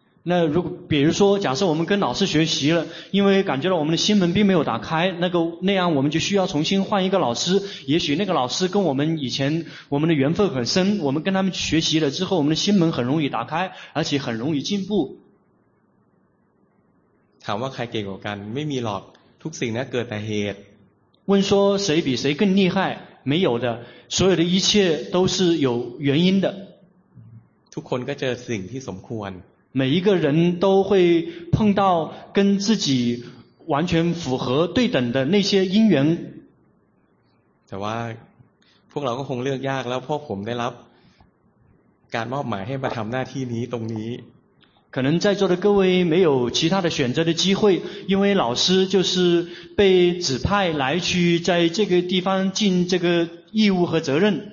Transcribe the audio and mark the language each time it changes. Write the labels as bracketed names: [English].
[Chinese] 那如果比如说假设我们跟老师学习了，因为感觉到我们的心门并没有打开，那样我们就需要重新换一个老师，也许那个老师跟我们以前我们的缘分很深，我们跟他们学习了之后，我们的心门很容易打开，而且很容易进步。 [Thai] ถามว่าใครเก่งกว่ากัน ไม่มีหรอก ทุกสิ่งนั้นเกิดแต่เหตุ [Chinese] 问说谁比谁更厉害？没有的，所有的一切都是有原因的。 [Thai] ทุกคนก็เจอสิ่งที่สมควร [Chinese] 每一个人都会碰到跟自己完全符合对等的那些因缘。 [Thai] แต่ว่าพวกเราก็คงเลือกยากแล้วพวกผมได้รับการมอบหมายให้มาทำหน้าที่นี้ตรงนี้ [Chinese] 可能在座的各位没有其他的选择的机会，因为老师就是被指派来去在这个地方尽这个义务和责任。